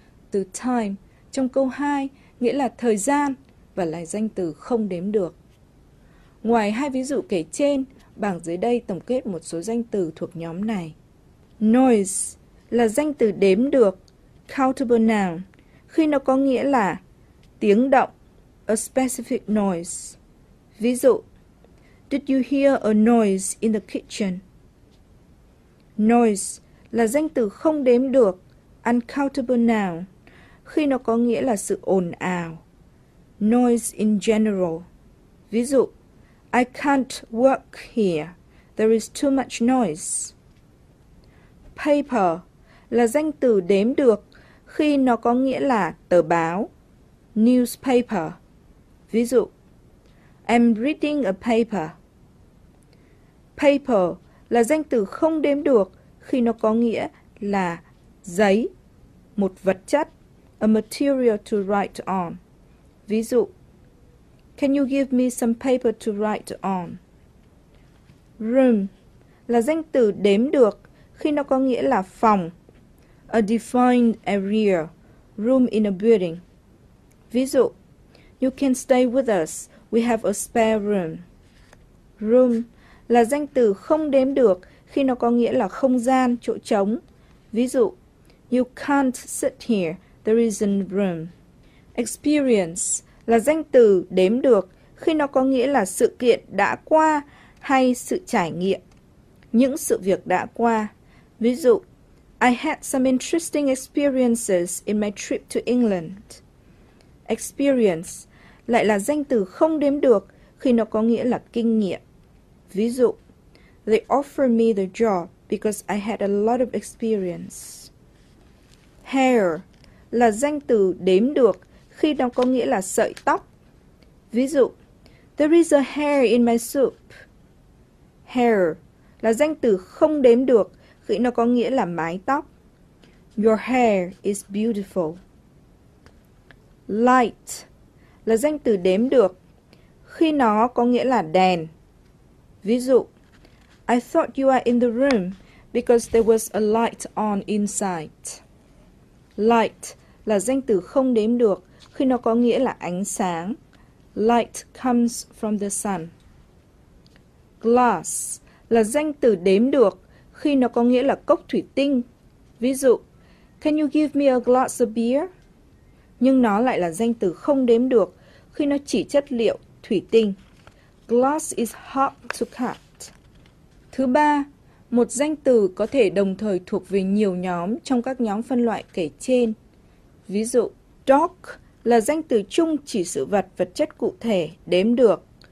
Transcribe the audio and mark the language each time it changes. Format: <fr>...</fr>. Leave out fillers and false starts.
<vi>Từ time trong câu 2 nghĩa là thời gian và là danh từ không đếm được. Ngoài hai ví dụ kể trên, bảng dưới đây tổng kết một số danh từ thuộc nhóm này. Noise là danh từ đếm được,</vi> <en>countable noun,</en> <vi>khi nó có nghĩa là tiếng động,</vi> <en>a specific noise.</en> <vi>Ví dụ,</vi> <en>did you hear a noise in the kitchen?</en> <vi>Noise là danh từ không đếm được,</vi> <en>uncountable noun,</en> <vi>khi nó có nghĩa là sự ồn ào.</vi> <en>Noise in general.</en> <vi>Ví dụ,</vi> <en>I can't work here. There is too much noise.</en> <vi>Paper là danh từ đếm được khi nó có nghĩa là tờ báo. Newspaper. Ví dụ,</vi> <en>I'm reading a paper.</en> <vi>Paper là danh từ không đếm được khi nó có nghĩa là giấy, một vật chất,</vi> <en>a material to write on.</en> <vi>Ví dụ,</vi> <en>can you give me some paper to write on?</en> <vi>Room là danh từ đếm được khi nó có nghĩa là phòng,</vi> <en>a defined area, room in a building.</en> <vi>Ví dụ,</vi> <en>you can stay with us, we have a spare room.</en> <vi>Room là danh từ không đếm được khi nó có nghĩa là không gian, chỗ trống. Ví dụ,</vi> <en>you can't sit here, there isn't room.</en> <vi>Experience là danh từ đếm được khi nó có nghĩa là sự kiện đã qua hay sự trải nghiệm, những sự việc đã qua. Ví dụ,</vi> <en>I had some interesting experiences in my trip to England.</en> <vi>Experience lại là danh từ không đếm được khi nó có nghĩa là kinh nghiệm. Ví dụ,</vi> <en>they offered me the job because I had a lot of experience.</en> <vi>Hair là danh từ đếm được khi nó có nghĩa là sợi tóc. Ví dụ,</vi> <en>there is a hair in my soup.</en> <vi>Hair là danh từ không đếm được khi nó có nghĩa là mái tóc.</vi> <en>Your hair is beautiful.</en> <vi>Light là danh từ đếm được khi nó có nghĩa là đèn. Ví dụ,</vi> <en>I thought you are in the room because there was a light on inside.</en> <vi>Light là danh từ không đếm được khi nó có nghĩa là ánh sáng.</vi> <en>Light comes from the sun.</en> <vi>Glass là danh từ đếm được khi nó có nghĩa là cốc thủy tinh. Ví dụ,</vi> <en>can you give me a glass of beer?</en> <vi>Nhưng nó lại là danh từ không đếm được khi nó chỉ chất liệu thủy tinh.</vi> <en>Glass is hard to cut.</en> <vi>Thứ ba, một danh từ có thể đồng thời thuộc về nhiều nhóm trong các nhóm phân loại kể trên. Ví dụ, dog là danh từ chung chỉ sự vật vật chất cụ thể đếm được.</vi>